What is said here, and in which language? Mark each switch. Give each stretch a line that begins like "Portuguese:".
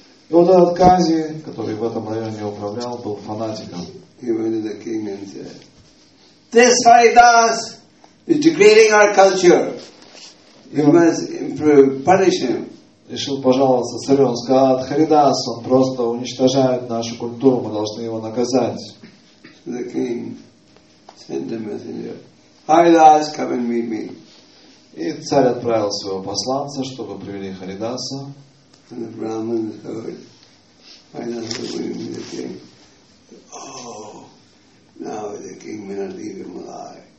Russian: И вот этот Кази, который в этом районе управлял, был фанатиком.
English: He went to the king and said, "This Haridas! He's degrading our culture. You must improve. Punish him."
Russian: Решил пожаловаться царю. Он сказал, Харидас, он просто уничтожает нашу культуру. Мы должны его наказать.
English: The king sent a messenger. Haridas, come and meet me.
Russian: И царь отправил своего посланца, чтобы привели Харидаса.
English: And the Brahmin heard. Haridas will meet the king. Oh, now the king may not leave him alive.